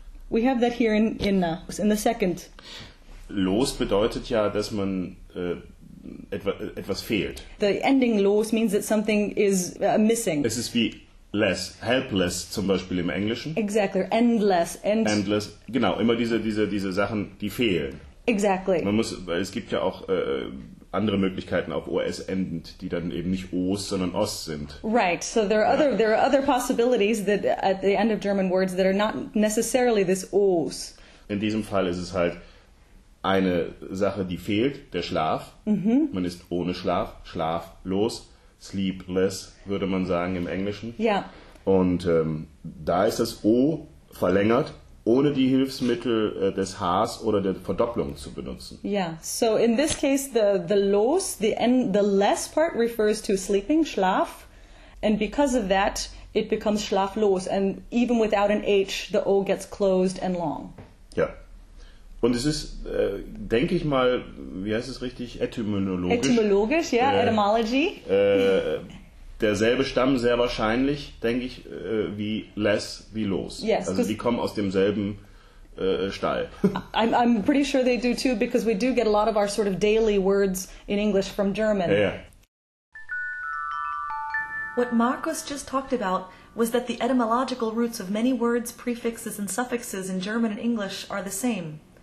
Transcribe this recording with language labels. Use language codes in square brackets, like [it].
[en] We have that here in the second. [de] Los bedeutet ja, dass man etwas fehlt. [en] The ending los means that something is missing. [de] Es ist wie less, helpless zum Beispiel im Englischen. [en] Exactly, endless. [de] Endless, genau, immer diese Sachen, die fehlen. [en] Exactly. [de] Man muss, weil es gibt ja auch andere Möglichkeiten auf OS endend, die dann eben nicht OS, sondern OS sind. [en] Right. So there are other possibilities that at the end of German words that are not necessarily this OS. [de] In diesem Fall ist es halt eine Sache, die fehlt, der Schlaf. Mm-hmm. Man ist ohne Schlaf, schlaflos, sleepless, würde man sagen im Englischen. Ja. [en] Yeah. [de] Und da ist das O verlängert, ohne die Hilfsmittel des Has oder der Verdopplung zu benutzen. [en] Yeah, so in this case the los, the less part refers to sleeping, Schlaf, and because of that it becomes schlaflos, and even without an H the O gets closed and long. [de] Ja. Und es ist, denke ich mal, wie heißt es richtig, etymologisch? Etymologisch, ja, etymology. Derselbe Stamm sehr wahrscheinlich, denke ich, wie less, wie los. [en] Yes, [de] also die kommen aus demselben Stall. [en] I'm pretty sure they do too, because we do get a lot of our sort of daily words in English from German. [de] Ja, ja. [en] What Markus just talked about was that the etymological roots of many words, prefixes and suffixes in German and English are the same.